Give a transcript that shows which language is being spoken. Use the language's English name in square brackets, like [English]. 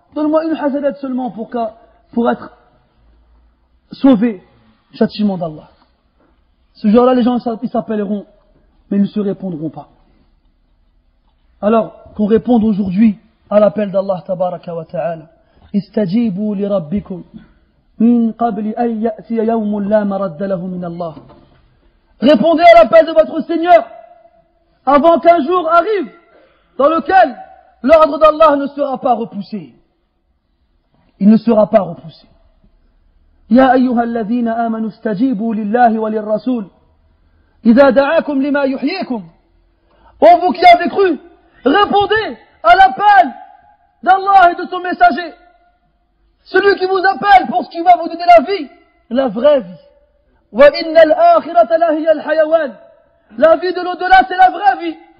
[French] Donne-moi une hasanat seulement pour être sauvé du châtiment d'Allah. Ce jour-là, les gens ils s'appelleront, mais ils ne se répondront pas. Alors, qu'on réponde aujourd'hui à l'appel d'Allah tabaraka wa ta'ala. [Arabic] Istajibu li rabbikum. من قبل أن يأتي يوم لا مرد له من الله. [French] Répondez à l'appel de votre Seigneur avant qu'un jour arrive dans lequel l'ordre d'Allah ne sera pas repoussé. Il ne sera pas repoussé. [Arabic] يا أيها الذين آمنوا استجيبوا لله وللرسول إذا دعاكم لما يحييكم. [French] Oh vous qui avez cru, répondez à l'appel d'Allah et de son messager. Celui qui vous appelle pour ce qui va vous donner la vie, la vraie vie. [Arabic] Wa inna al-akhirata la hiya al-hayawan. [French] La vie de l'au-delà, c'est la vraie vie.